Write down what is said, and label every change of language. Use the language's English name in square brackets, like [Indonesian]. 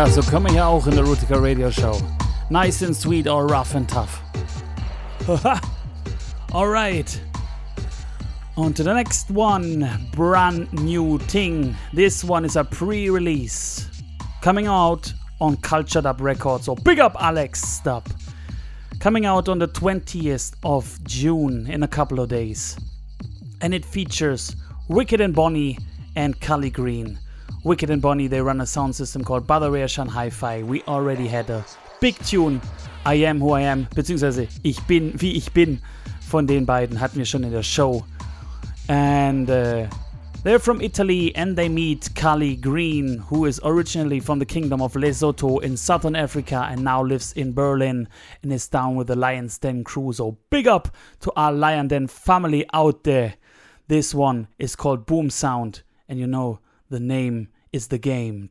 [German] Kommen hier auch in der Rootikal Radio Show. [English] Nice and sweet or rough and tough. Alright. On to the next one. Brand new thing. This one is a pre-release. Coming out on Culture Dub Records. So big up Alex Dub. Coming out on the 20th of June in a couple of days. And it features Wicked and Bonnie and Cully Green. Wicked and Bonnie, they run a sound system called Badareshan Hi-Fi. We already had a big tune, I Am [German] Who I Am, beziehungsweise Ich Bin Wie Ich Bin, von den beiden, hatten wir schon in der Show. [English] And They're from Italy and they meet Kali Green, who is originally from the kingdom of Lesotho in southern Africa and now lives in Berlin and is down with the Lion's Den crew. So big up to our Lion Den family out there. This one is called Boom Sound, and you know the name is the game.